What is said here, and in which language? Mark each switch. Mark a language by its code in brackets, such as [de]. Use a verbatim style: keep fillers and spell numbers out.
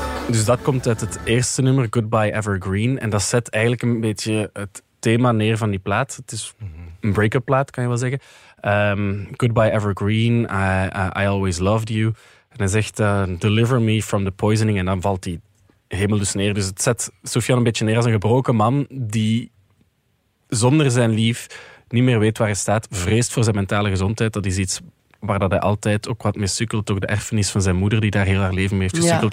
[nl] Dus dat komt uit het eerste nummer, Goodbye Evergreen. En dat zet eigenlijk een beetje het thema neer van die plaat. Het is een break-up plaat, kan je wel zeggen. [en] Um, Goodbye Evergreen, I, I, I always loved you. [nl] En hij zegt, uh, [en] deliver me from the poisoning. [nl] En dan valt die hemel dus neer. Dus het zet Soufjan een beetje neer als een gebroken man die zonder zijn lief niet meer weet waar hij staat. Vreest voor zijn mentale gezondheid. Dat is iets... waar dat hij altijd ook wat mee sukkelt, ook de erfenis van zijn moeder, die daar heel haar leven mee heeft gesukkeld, ja.